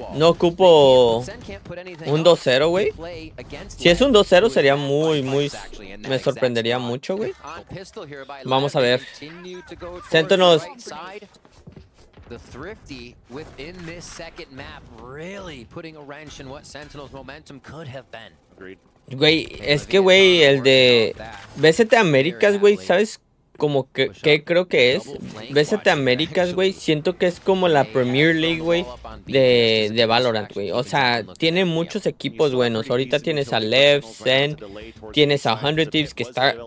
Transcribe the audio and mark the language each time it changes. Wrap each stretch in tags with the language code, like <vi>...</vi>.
<es>No ocupo un 2-0, güey. Si es un 2-0 sería muy muy me sorprendería mucho, güey. Vamos a ver. Séntonos.</es> <en>The thrifty within this second map really putting a wrench in what Sentinel's momentum could have been.</en> <es>Güey, es que güey, el de VCT Américas, güey, ¿sabes? Como que, ¿qué creo que es? VCT Américas, güey. Siento que es como la Premier League, güey, de Valorant, güey. O sea, tiene muchos equipos buenos. Ahorita tienes a Lev, SEN, tienes a 100 Thieves, que está...</es>